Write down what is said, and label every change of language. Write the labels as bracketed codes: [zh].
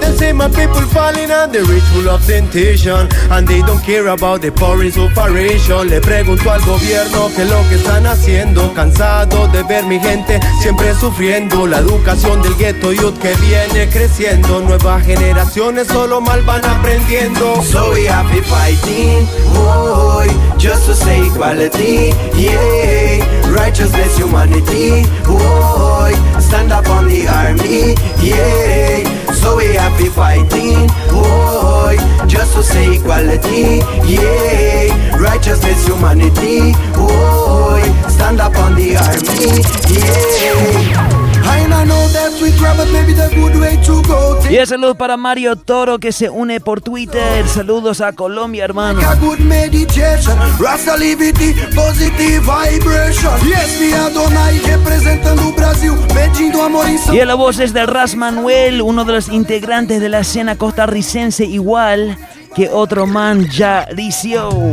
[en] They say my people falling and the rich full of temptation. And they don't care about the poor in suffering. [es] Le pregunto al gobierno que lo que están haciendo. Cansado de ver mi gente siempre sufriendo. La educación del ghetto youth que viene creciendo. Nuevas generaciones solo mal van aprendiendo. [en] So we happy fighting, boy, just to say equality, yeah. Righteousness, humanity, boy. Stand up on the army, yeah. So we happy fighting, boy. Just to say equality, yeah. Righteousness, humanity, boy. Stand up on the army, yeah. I know that we travel, maybe the good way to go. [es] Y el saludo para Mario Toro que se une por Twitter. Saludos a Colombia, hermano. [en] A good meditation, Rasta liberty, positive vibration. [es] Yes, mi Adonai representando Brasil, pidiendo amor y salud. Y la voz es de Ras Manuel, uno de los integrantes de la escena costarricense, igual que otro man, Jalicio.